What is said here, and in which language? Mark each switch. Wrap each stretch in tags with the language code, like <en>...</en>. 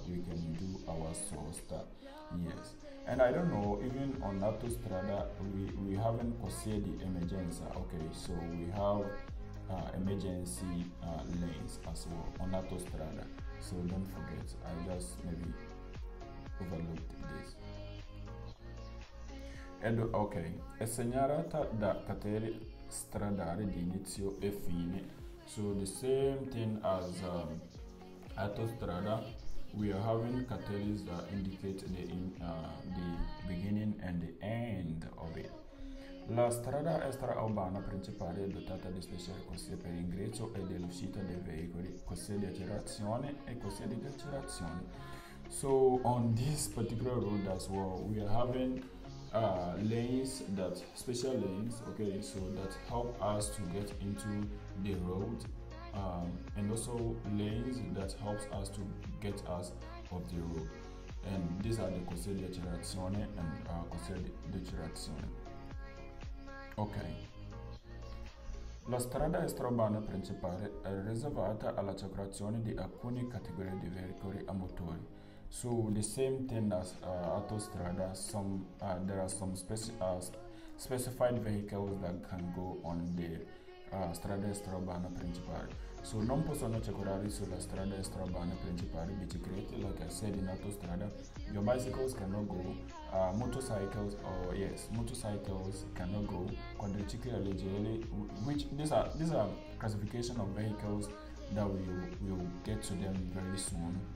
<en>We can do our sosta. Yes. And I don't know, even on Autostrada, we haven't considered the emergenza. Okay, so we have emergency lanes as well on Autostrada. So don't forget, I just maybe overlooked this.</en> <it>Ok, è segnalata da catene stradali di inizio e fine.</it> <en>So the same thing as Autostrada, we are having catenes that indicate the beginning and the end of it.</en> <it>La strada extraurbana principale è dotata di speciale corsie per ingresso e dell'uscita dei veicoli, corsie di accelerazione e corsie di decelerazione.</it> <en>So on this particular road as well, we are having lanes, that special lanes, okay, so that help us to get into the road, and also lanes that helps us to get us off the road, and these are the corsie di accelerazione and corsie di decelerazione.</en> <it>Okay, la strada extraurbana principale è riservata alla circolazione di alcune categorie di veicoli a motore.</it> <en>So the same thing as Autostrada, there are some specified vehicles that can go on the strada extraurbana principale. So</en> <it>non possono circolare sulla strada extraurbana principale biciclette,</it> <en>like I said in Autostrada, your bicycles cannot go, motorcycles cannot go, quadricicli leggeri, which these are classification of vehicles that we'll get to them very soon.</en>